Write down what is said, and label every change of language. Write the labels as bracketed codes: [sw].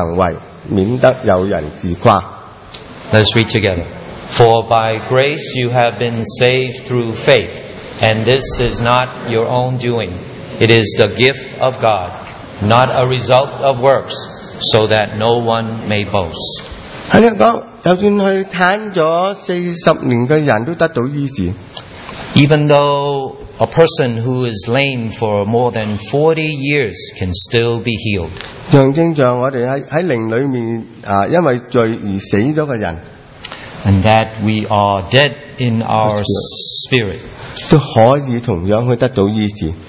[yue] 这定不是出于自己，乃是神所赐的，也不是出于行为，免得有人自夸。 [en] Let's read together. For by grace you have been saved through faith, and this is not your own doing. It is the gift of God, not a result of works, so that no one may boast. [yue] 在这里说，就算是瘫了40年的人都得到医治。 [en] Even though a person who is lame for more than 40 years can still be healed. And that we are dead in our spirit.